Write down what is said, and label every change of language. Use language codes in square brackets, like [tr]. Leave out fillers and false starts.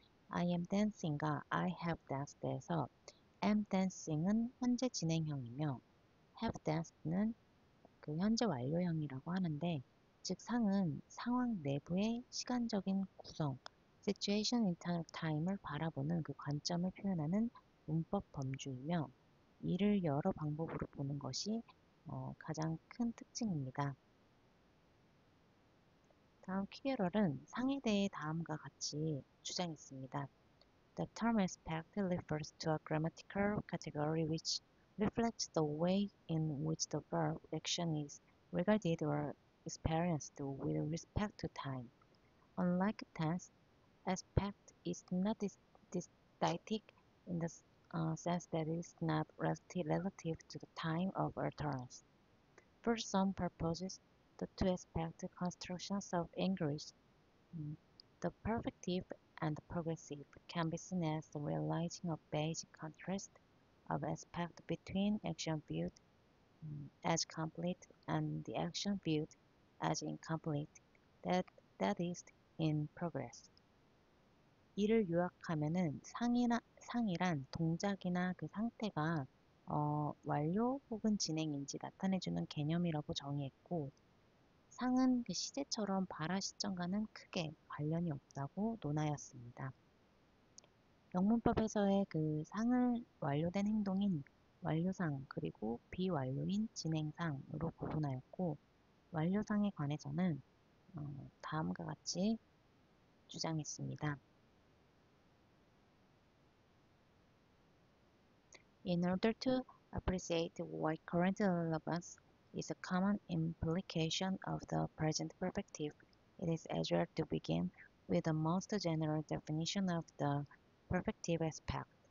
[en] I am dancing [ko] 과 [en] I have danced [ko] 에서 am dancing은 현재 진행형이며 have danced는 그 현재 완료형이라고 하는데, 즉 상은 상황 내부의 시간적인 구성, [en] situation internal time [ko] 을 바라보는 그 관점을 표현하는 문법 범주이며, 이를 여러 방법으로 보는 것이 가장 큰 특징입니다. 다음 퀵에럴은 상에 대해 다음과 같이 주장했습니다. [en] The term aspect refers to a grammatical category which reflects the way in which the verb action is regarded or experienced with respect to time. Unlike tense, aspect is not static in the sense that it is not relative to the time of utterance. For some purposes, the two aspect constructions of English. The perfective and the progressive can be seen as the realizing of basic contrast of aspect between action viewed as complete and the action viewed as incomplete, that is in progress. [ko] 이를 요약하면은 상이란 동작이나 그 상태가 완료 혹은 진행인지 나타내주는 개념이라고 정의했고, 상은 그 시제처럼 발화 시점과는 크게 관련이 없다고 논하였습니다. 영문법에서의 그 상을 완료된 행동인 완료상 그리고 비완료인 진행상으로 구분하였고, 완료상에 관해서는 다음과 같이 주장했습니다. [en] In order to appreciate why current relevance is a common implication of the present perfective, it is as well to begin with the most general definition of the perfective aspect.